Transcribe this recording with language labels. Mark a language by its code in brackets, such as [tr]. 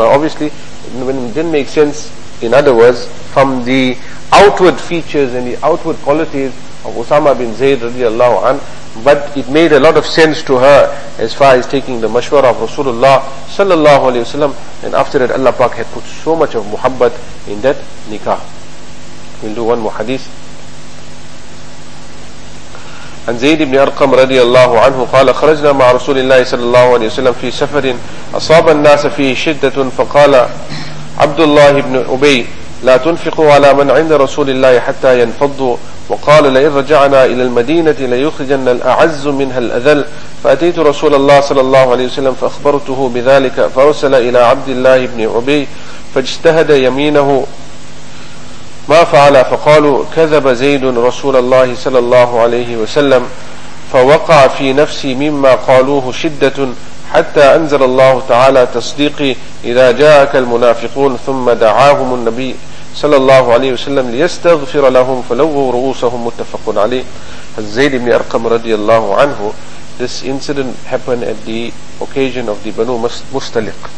[en] Obviously, didn't make sense, in other words, from the outward features and the outward qualities of Usama bin Zayd radiallahu an, but it made a lot of sense to her as far as taking the mashwara of Rasulullah sallallahu alayhi wasallam. And after that, Allah Pak had put so much of muhabbat in that nikah. We'll do one more hadith. [ar] عن زيد بن أرقم رضي الله عنه قال خرجنا مع رسول الله صلى الله عليه وسلم في سفر أصاب الناس فيه شدة فقال عبد الله بن أبي لا تنفقوا على من عند رسول الله حتى ينفضوا وقال لئن رجعنا إلى المدينة ليخرجن الأعز منها الأذل فأتيت رسول الله صلى الله عليه وسلم فأخبرته بذلك فأرسل إلى عبد الله بن أبي فاجتهد يمينه ما فعل فقالوا كذب زيد رسول الله صلى الله عليه وسلم فوقع في نفسي مما قالوه شدة حتى أنزل الله تعالى تصديقي إذا جاءك المنافقون ثم دعاهم النبي صلى الله عليه وسلم ليستغفر لهم فلووا رؤوسهم متفق عليه. زيد بن أرقم رضي الله عنه. [en] This incident happened at the occasion of the Banu Mustaliq.